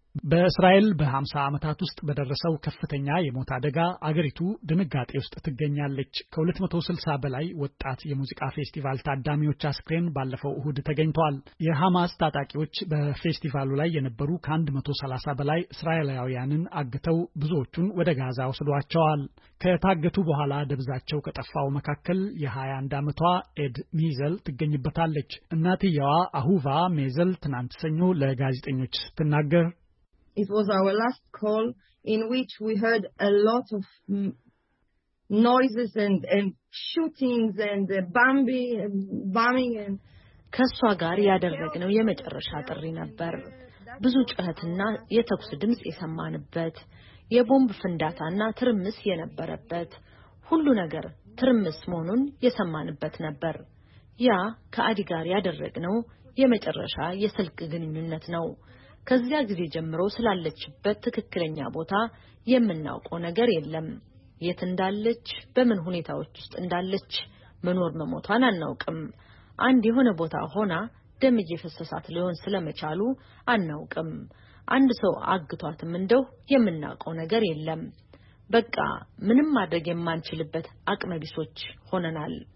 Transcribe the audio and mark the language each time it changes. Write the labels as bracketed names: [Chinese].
[Amharic] በእስራኤል በ50 አመታት ውስጥ በደረሰው ከፍተኛ የሞት አደጋ አገሪቱ ድንጋጤ ውስጥ ትገኛለች። ከ260 በላይ ወጣት የሙዚቃ ፌስቲቫል ታዳሚዎች አስክሬን ባለፈው እሁድ ተገኝቷል። የሐማስ ታጣቂዎች በፌስቲቫሉ ላይ የነበሩ ከ130 በላይ እስራኤላውያንን አግተው ብዙዎቹን ወደ ጋዛ ወስደዋቸዋል። ከታገቱ በኋላ ደብዛቸው ከጠፋው መካከል የ21 አመቷ ኤድ ሚዘል ትገኝበታለች። እናትየዋ አሁቫ ሚዘል ትናንት ሰኞ ለጋዜጠኞች ስትናገር [English] It was our last call in which we heard a lot of noises and shootings and bombing and [Amharic] ከሷ ጋር ያደረግነው የመጨረሻ ጥሪ ነበር። ብዙ ጩኸትና የተኩስ ድምጽ የሰማንበት የቦምብ ፍንዳታና ትርምስ የነበረበት ሁሉ ነገር ትርምስ መሆኑን የሰማንበት ነበር። ያ ከአዲ ጋር ያደረግነው የመጨረሻ የስልክ ግንኙነት ነው። ከዚያ ጊዜ ጀምሮ ስላለችበት ትክክለኛ ቦታ የምናውቀው ነገር የለም። የት እንዳለች፣ በምን ሁኔታዎች ውስጥ እንዳለች መኖር መሞቷን አናውቅም። አንድ የሆነ ቦታ ሆና ደም እየፈሰሳት ሊሆን ስለመቻሉ አናውቅም። አንድ ሰው አግቷትም እንደው የምናውቀው ነገር የለም። በቃ ምንም ማድረግ የማንችልበት አቅመ ቢሶች ሆነናል።